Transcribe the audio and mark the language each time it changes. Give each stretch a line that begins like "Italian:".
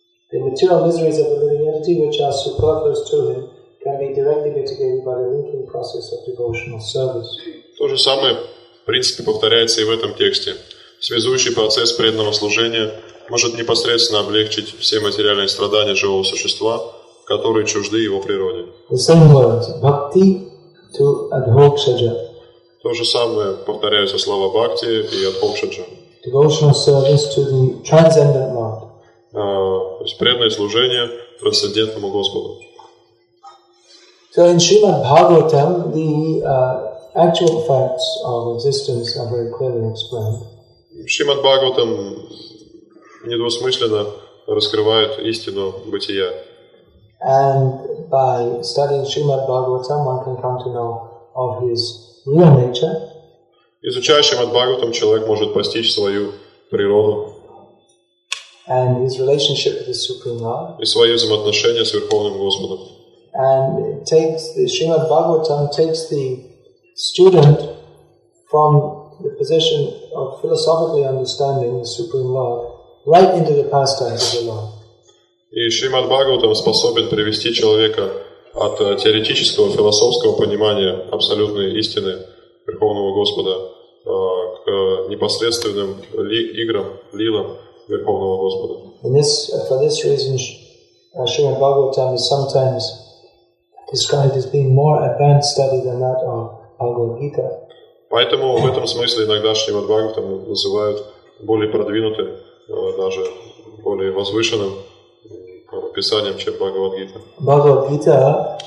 English: The material miseries of the living entity which are superfluous to him can be directly mitigated by the linking process of devotional service.
Russian: То же самое, в принципе, повторяется и в этом тексте. Связующий процесс преданного служения может непосредственно облегчить все материальные страдания живого существа, которые чужды его природе.
English: The same words, bhakti to adhokshaja.
Russian: То же самое повторяются слова бхакти и адхокшаджа.
English: Devotional service to the transcendent Lord.
Russian: То есть преданное служение трансцендентному Господу.
English: So in Srimad Bhagavatam the actual facts of existence are very clearly explained.
Russian: Шримад Бхагаватам недвусмысленно раскрывает истину бытия.
English: And by studying Shrimad Bhagavatam, one can come to know of his real nature.
Russian: Изучая Шримад Бхагаватам, человек может постичь свою природу.
English: And his relationship with the Supreme Lord.
Russian: И свои взаимоотношения с Верховным Господом.
English: And Shrimad Bhagavatam takes the student from the position of philosophically understanding the Supreme Lord right into the pastimes of the Lord.
Russian: И Шримад Бхагаватам способен привести человека от теоретического философского понимания абсолютной истины Верховного Господа к непосредственным играм, лилам Верховного Господа.
English: For this reason, Shrimad Bhagavatam is sometimes described as being more advanced study than that of Bhagavad Gita.
Russian: Поэтому в этом смысле иногда Шримад Бхагаватам называют более продвинутым, даже более возвышенным писанием, чем Бхагавад Гита.